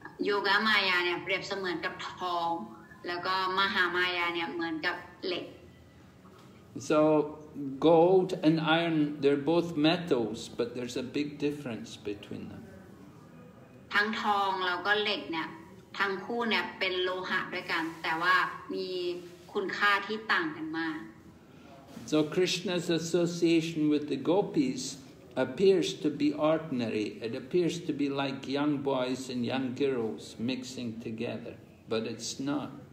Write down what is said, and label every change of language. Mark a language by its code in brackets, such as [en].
[th] Yoga maya เนี่ย เปรียบเสมือนกับทอง แล้วก็ maha maya เนี่ย เหมือนกับเหล็ก [en] So gold and iron, they're both metals, but there's a big difference between them. [th] ทั้งทองแล้วก็เหล็กเนี่ย ทั้งคู่เนี่ย เป็นโลหะด้วยกัน แต่ว่ามีคุณค่าที่ต่างกันมาก [en] So Krishna's association with the gopis appears to be ordinary. It appears to be like young boys and young girls mixing together, but it's not.